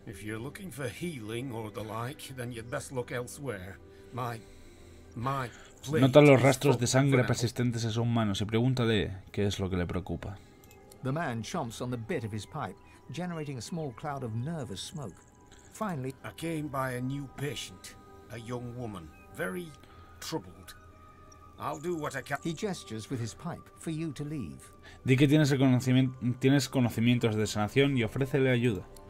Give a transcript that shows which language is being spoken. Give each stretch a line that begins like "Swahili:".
English: If you're looking for healing or the like, then you'd best look elsewhere. My plague.
Spanish: Nota los rastros de sangre persistentes en sus manos y pregúntale qué es lo que le preocupa.
English: The man chomps on the bit of his pipe, generating a small cloud of nervous smoke. Finally, I came by a new patient, a young woman, very troubled. I'll do what I can. He gestures with his pipe for you to leave.
Spanish: Di que tienes conocimientos de sanación y ofrécele ayuda.